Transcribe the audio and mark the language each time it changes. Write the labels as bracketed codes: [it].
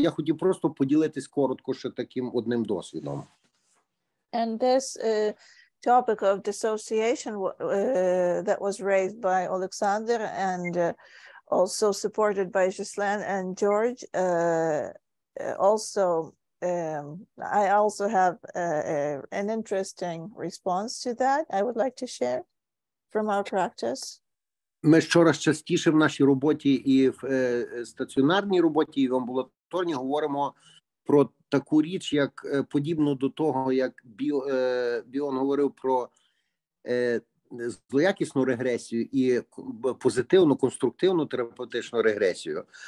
[uk] Я хотів просто поділитись коротко ще таким одним досвідом. [en] And this topic of dissociation that was raised by Oleksandr and also supported by Ghislaine and George. I also have an interesting response to that I would like to share from our practice. [uk] Ми щораз частіше в нашій роботі і в стаціонарній роботі, і в амбулаторній говоримо про таку річ, як подібно до того, як Біон говорив про злоякісну регресію і позитивну, конструктивну терапевтичну регресію.